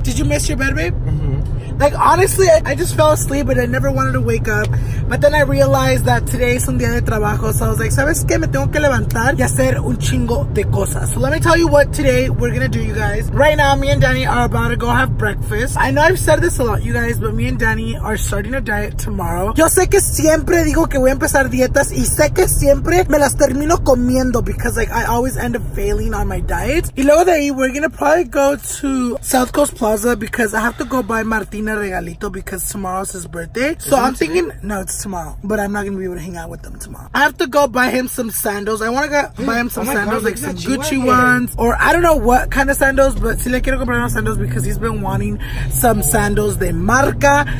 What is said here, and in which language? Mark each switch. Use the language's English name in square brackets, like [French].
[English] Did you miss your bed, babe? Like honestly, I just fell asleep and I never wanted to wake up. But then I realized that today is [Spanish] un día de trabajo. [English] So I was like, [Spanish] ¿sabes qué? Me tengo que levantar y hacer un chingo de cosas. [English] So let me tell you what today we're gonna do, you guys. Right now, me and Danny are about to go have breakfast. I know I've said this a lot, you guys, but me and Danny are starting a diet tomorrow. [Spanish] Yo sé que siempre digo que voy a empezar dietas y sé que siempre me las termino comiendo [English] because like I always end up failing on my diet. [Spanish] Y luego de ahí, [English] we're gonna probably go to South Coast Plaza because I have to go buy Martin a regalito because tomorrow's his birthday. So I'm thinking, no, it's tomorrow, but I'm not gonna be able to hang out with them tomorrow. I have to go buy him some sandals. I want to go buy him some sandals, like some Gucci ones, or I don't know what kind of sandals, but [Spanish] si le quiero comprar unos [English] sandals because he's been wanting some sandals [Spanish] de marca.